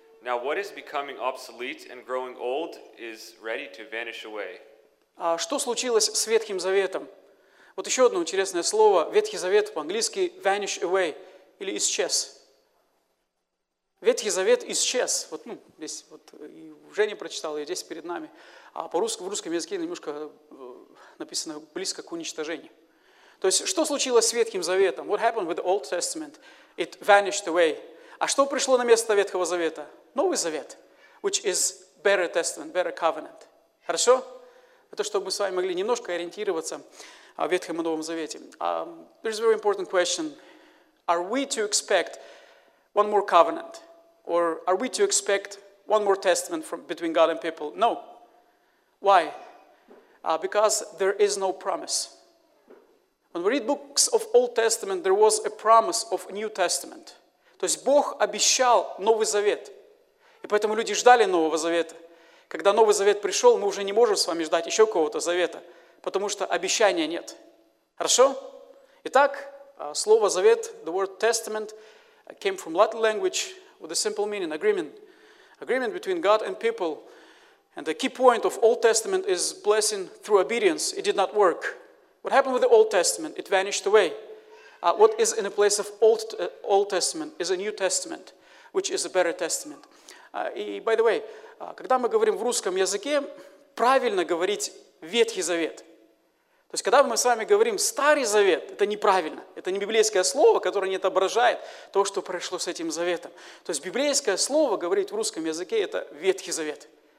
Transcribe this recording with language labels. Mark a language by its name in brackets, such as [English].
[English] Now what is becoming obsolete and growing old is ready to vanish away. [Russian] А что случилось с Ветхим Заветом? Вот еще одно интересное слово. Ветхий Завет по-английски [English] vanish away [Russian] или исчез. Ветхий Завет исчез. Вот, ну, здесь вот и Женя прочитала, и здесь перед нами. А по-русски, в русском языке немножко написано близко к уничтожению. То есть, что случилось с Ветхим Заветом? [English] What happened with the Old Testament? It vanished away. [Russian] А что пришло на место Ветхого Завета? Новый Завет. [English] Which is better testament, better covenant. [Russian] Хорошо? Это чтобы мы с вами могли немножко ориентироваться в Ветхом и Новом Завете. [English] There is a very important question. Are we to expect one more covenant? Or are we to expect one more testament from, between God and people? No. Why? Because there is no promise. When we read books of Old Testament, there was a promise of New Testament. [Russian] То есть Бог обещал Новый Завет. И поэтому люди ждали Нового Завета. Когда Новый Завет пришел, мы уже не можем с вами ждать еще какого-то Завета, потому что обещания нет. Хорошо? Итак, слово Завет, [English] the word Testament, came from Latin language with a simple meaning, agreement. Agreement between God and people. And the key point of Old Testament is blessing through obedience. It did not work. What happened with the Old Testament? It vanished away. What is in the place of Old Testament is a New Testament, which is a better Testament. [Russian] И, [English] by the way, [Russian] когда мы говорим в русском языке, правильно говорить Ветхий Завет. То есть, когда мы с вами говорим Старый Завет, это неправильно. Это не библейское слово, которое не отображает то, что произошло с этим Заветом. То есть, библейское слово говорить в русском языке – это Ветхий Завет.